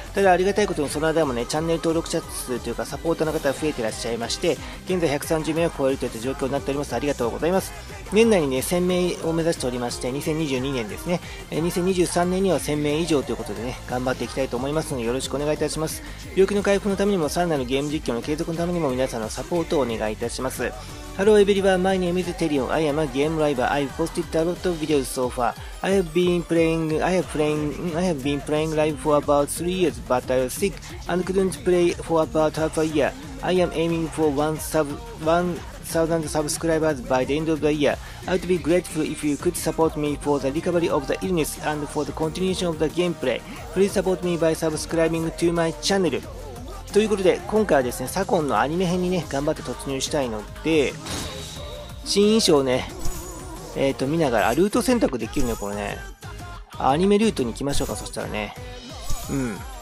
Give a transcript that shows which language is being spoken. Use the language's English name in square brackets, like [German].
[Japanese] ただありがたいことにその間もね、チャンネル登録者数というかサポーターの方が増えていらっしゃいまして、現在130名を超えるといった状況になっております。ありがとうございます。年内にね、1000名を目指しておりまして、2022年ですね、2023年には1000名以上ということでね、頑張っていきたいと思いますので、よろしくお願いいたします。病気の回復のためにも、さらなるゲーム実況の継続のためにも、皆さんのサポートをお願いいたします。 [English] ハローエブリバー、マイネームイズテリオン、アイアムゲームライバー、アイポスティッドアロットビデオソファー、I have been playing live for about 3 years, but I was sick and couldn't play for about half a year. I am aiming for 1,000 subscribers by the end of the year. I would be grateful if you could support me for the recovery of the illness and for the continuation of the gameplay. Please support me by subscribing to my channel. [Japanese] ということで、今回はですね、サコンのアニメ編にね、頑張って突入したいので、新衣装ね、見ながら、ルート選択できるね、これね。アニメルートに行きましょうか、そしたらね。うん。